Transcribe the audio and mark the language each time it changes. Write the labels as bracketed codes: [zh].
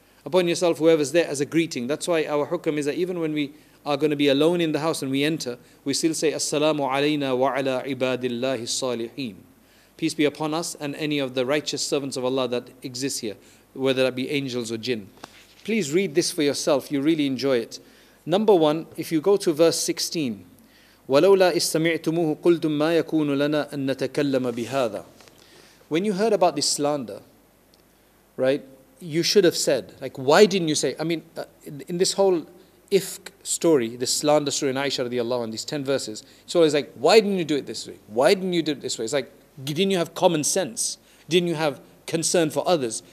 [en] Upon yourself, whoever's there, as a greeting. That's why our hukam is that even when we are going to be alone in the house and we enter, we still say, [ar] السَّلَامُ عَلَيْنَا وَعَلَىٰ عِبَادِ اللَّهِ الصَّالِحِينَ. [en] Peace be upon us and any of the righteous servants of Allah that exist here, whether that be angels or jinn. Please read this for yourself. You really enjoy it. Number one, if you go to verse 16, [ar] وَلَوْلَا إِسْتَمِعْتُمُوهُ قُلْتُمْ مَا يَكُونُ لَنَا أَن نَتَكَلَّمَ بِهَذَا. [en] When you heard about this slander, right, you should have said, like, why didn't you say, I mean, in this whole ifk story, this slander story in Aisha radiallahu anha, these 10 verses, it's always like, why didn't you do it this way? Why didn't you do it this way? It's like, didn't you have common sense? Didn't you have concern for others?